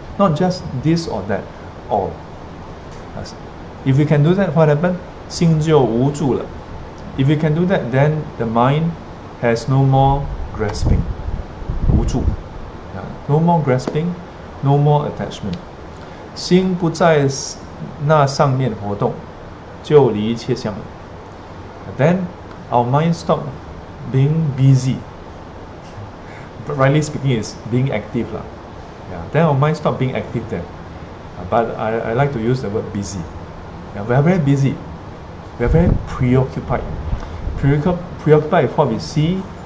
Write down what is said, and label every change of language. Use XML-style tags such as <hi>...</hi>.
<en>Not just this or that, all. If we can do that, what happened?</en> <zh>心就无住了.</zh> <en>If we can do that, then the mind has no more grasping.</en> <zh>无住.</zh> <en>No more grasping, no more attachment.</en> <zh>心不在那上面活动，就离一切相。</zh> <en>Then our mind stop being busy. But rightly speaking, it's being active lah. Yeah. Then our mind stop being active then. But I like to use the word busy. Yeah, we are very busy. We are very preoccupied. Preoccupied with what we see.</en>